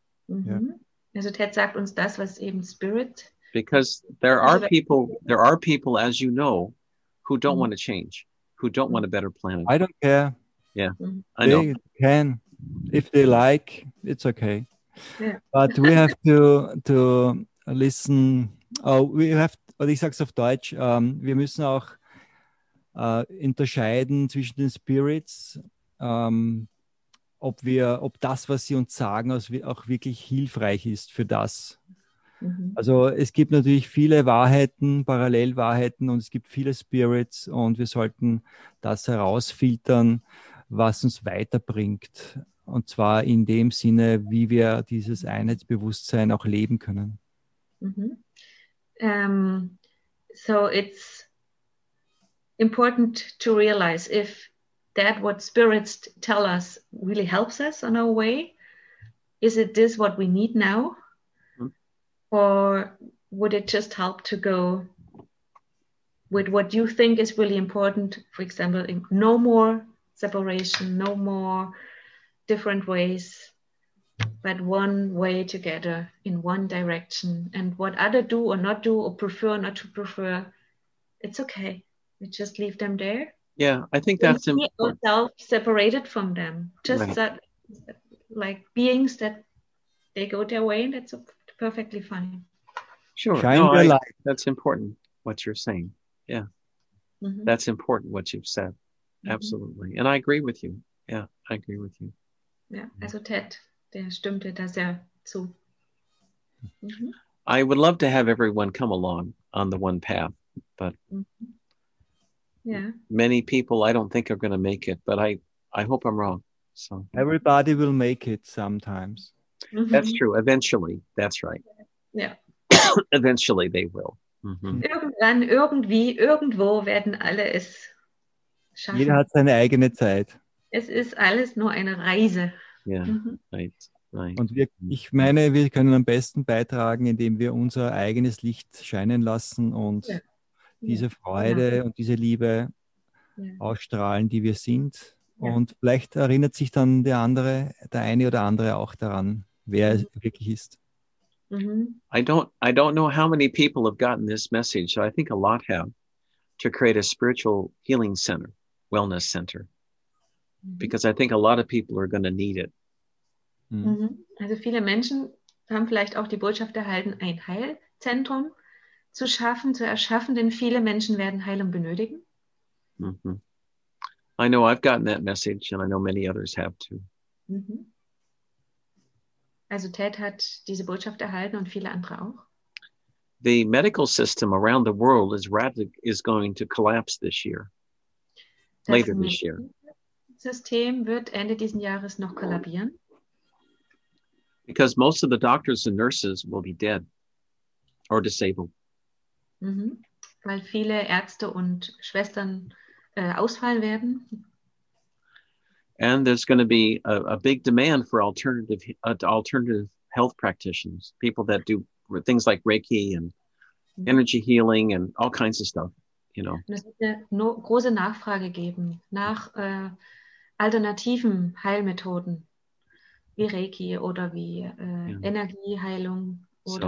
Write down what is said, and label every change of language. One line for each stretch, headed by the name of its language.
German: Mm-hmm. Yeah. Also Ted sagt uns das, was eben Spirit.
English: Because there are people, as you know, who don't want to change, who don't want a better planet. I don't care. Yeah, I know. They can. If they like, it's okay. But we have to listen.
German: Oder ich sage es auf Deutsch, wir müssen auch unterscheiden zwischen den Spirits, ob das, was sie uns sagen, auch wirklich hilfreich ist für das. Mhm. Also es gibt natürlich viele Wahrheiten, Parallelwahrheiten, und es gibt viele Spirits, und wir sollten das herausfiltern, was uns weiterbringt. Und zwar in dem Sinne, wie wir dieses Einheitsbewusstsein auch leben können. Mm-hmm.
English: So it's important to realize if that what spirits tell us really helps us on our way, is it this what we need now? Mm-hmm. Or would it just help to go with what you think is really important? For example, no more separation, no more different ways, but one way together in one direction. And what other do or not do or prefer not to prefer, it's okay. We just leave them there. Yeah, I think that's important. Ourselves separated from them. Just right. That, like beings that they go their way, and that's perfectly fine. Sure. That's important what you're saying. Yeah. Mm-hmm. That's important what you've said. Mm-hmm. Absolutely. And I agree with you. Yeah, I agree with you.
German: Yeah, also Ted, der stimmte da sehr zu.
English: I would love to have everyone come along on the one path, but mm-hmm. Yeah. Many people I don't think are going to make it, but I hope I'm wrong. So everybody will make it sometimes. Mm-hmm. That's true. Eventually, that's right. Yeah. Eventually they will.
German: Mm-hmm. Irgendwann, irgendwie, irgendwo werden alle es schaffen. Jeder hat seine eigene Zeit. Es ist alles nur eine Reise. Ja, yeah, mhm. Right. Und ich meine, wir können am besten beitragen, indem wir unser eigenes Licht scheinen lassen und diese Freude und diese Liebe ausstrahlen, die wir sind. Ja. Und vielleicht erinnert sich dann der eine oder andere auch daran, wer es wirklich ist. Mhm.
English: I don't know how many people have gotten this message. So I think a lot have to create a spiritual healing center, wellness center. Because I think a lot of people are going to need it. Mm.
German: Also viele Menschen haben vielleicht auch die Botschaft erhalten, ein Heilzentrum zu erschaffen, denn viele Menschen werden Heilung benötigen. Mm-hmm.
English: I know I've gotten that message, and I know many others have too. Mm-hmm.
German: Also Ted hat diese Botschaft erhalten und viele andere auch.
English: The medical system around the world is going to collapse this year.
German: Das
English: later this year.
German: System wird Ende diesen Jahres noch kollabieren.
English: Because most of the doctors and nurses will be dead or disabled.
German: Mhm. Weil viele Ärzte und Schwestern ausfallen werden.
English: And there's going to be a big demand for alternative health practitioners, people that do things like Reiki and energy healing and all kinds of stuff, you know.
German: Es wird eine große Nachfrage geben nach alternativen Heilmethoden wie Reiki oder wie Energieheilung oder